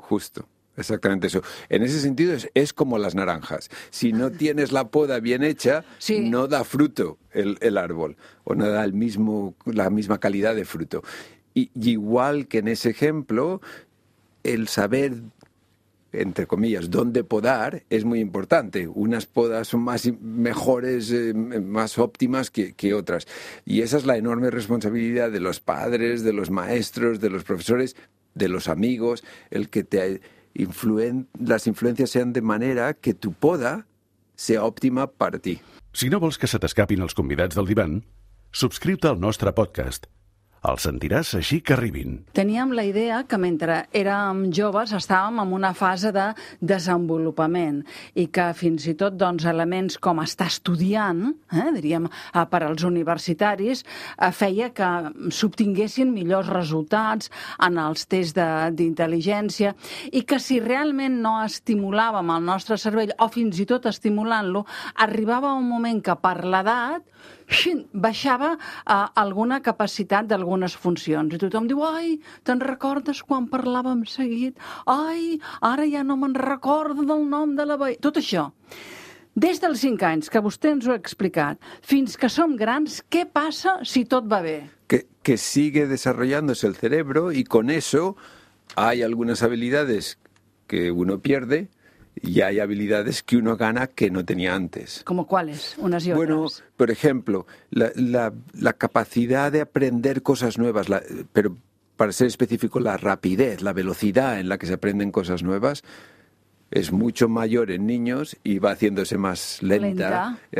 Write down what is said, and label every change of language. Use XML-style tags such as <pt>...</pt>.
<es>Justo. Exactamente eso. En ese sentido es como las naranjas. Si no tienes la poda bien hecha, sí, no da fruto el árbol o no da la misma calidad de fruto. Y igual que en ese ejemplo, el saber entre comillas, dónde podar es muy importante. Unas podas son más mejores, más óptimas que otras. Y esa es la enorme responsabilidad de los padres, de los maestros, de los profesores, de los amigos, el que te las influencias sean de manera que tu poda sea óptima per ti.</es> <ca>Si no vols que se t'escapin els convidats del divan, subscriu-te al nostre podcast. El sentiràs així que arribin. Teníem la idea que mentre érem joves estàvem en una fase de desenvolupament i que fins i tot doncs, elements com estar estudiant, diríem, per als universitaris, feia que s'obtinguessin millors resultats en els tests d'intel·ligència i que si realment no estimulàvem el nostre cervell o fins i tot estimulant-lo, arribava un moment que per l'edat baixava alguna capacitat d'algunes funcions. I tothom diu, ai, te'n recordes quan parlàvem seguit? Ai, ara ja no me'n recordo del nom de la veïna. Tot això. Des dels 5 anys, que vostè ens ho ha explicat, fins que som grans, què passa si tot va bé?</ca> <es>Que sigue desarrollándose el cerebro y con eso hay algunas habilidades que uno pierde y hay habilidades que uno gana que no tenía antes. ¿Como cuáles? Unas y otras. Bueno, por ejemplo, la capacidad de aprender cosas nuevas, pero para ser específico, la rapidez, la velocidad en la que se aprenden cosas nuevas es mucho mayor en niños y va haciéndose más lenta.</es>